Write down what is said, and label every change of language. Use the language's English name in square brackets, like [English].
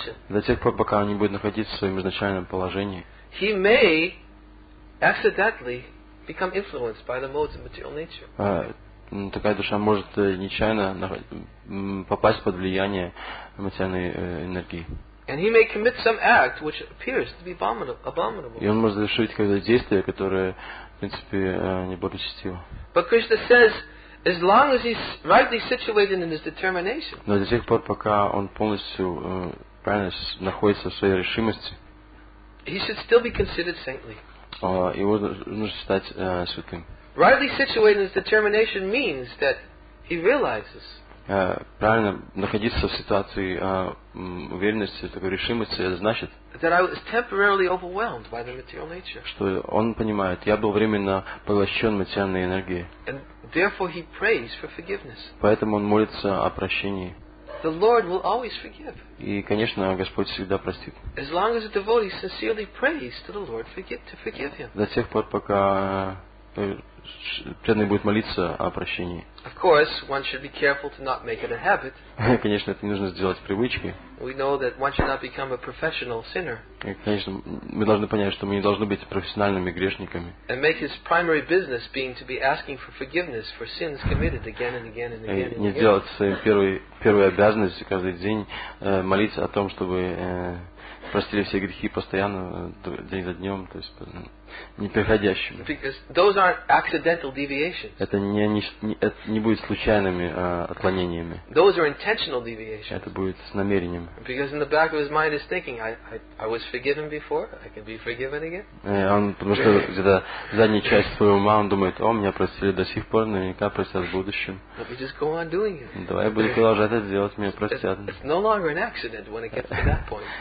[Russian] До тех пор, пока он не будет находиться в своем изначальном положении. [English] He may accidentally become influenced by the modes of material nature. [Russian] Такая душа может нечаянно попасть под влияние материальной энергии. [English] And he may commit some act which appears to be abominable. [Russian] И он может совершить какое-то действие, которое в принципе, неблагочестиво. [English] But Krishna says, as long as he's rightly situated in his determination. [Russian] Но до тех пор, пока он полностью правильно находится в своей решимости, [English] he should still be considered saintly. [Russian] Его нужно считать святым. [English] Rightly situated in his determination means that he realizes. [Russian] Правильно находиться в ситуации уверенности, такой решимости, это значит, [English] that I was temporarily overwhelmed by the material nature. [Russian] Что он понимает, я был временно поглощен материальной энергией. [English] And therefore he prays for forgiveness. [Russian] Поэтому он молится о прощении. [English] The Lord will always forgive. [Russian] И, конечно, Господь всегда простит. [English] As long as a devotee sincerely prays to the Lord to forgive him. [Russian] До тех пор, пока преданный будет молиться о прощении. [English] Of course, one should be careful to not make it a habit. [Russian] Конечно, это не нужно сделать привычкой. [English] We know that one should not become a professional sinner. [Russian] Конечно, мы должны понять, что мы не должны быть профессиональными грешниками. [English] And make his primary business being to be asking for forgiveness for sins committed again and again and again. [Russian] Не делать своей первой обязанностью каждый день молиться о том, чтобы простили все грехи постоянно день за днем, то есть. непреходящими. [English] Those aren't accidental deviations. [Russian] Это не будет случайными отклонениями. [English] Those are intentional deviations. [Russian] Это будет с намерением. [English] Because in the back of his mind is thinking, I was forgiven before, I can be forgiven again. [Russian] Он потому что когда задняя часть своего ума он думает, о, меня простили до сих пор, наверняка простят в будущем. [English] Let me just go on doing it. [Russian] Давай я буду продолжать это делать, меня простят. [English] It's no longer an accident when it gets to that point.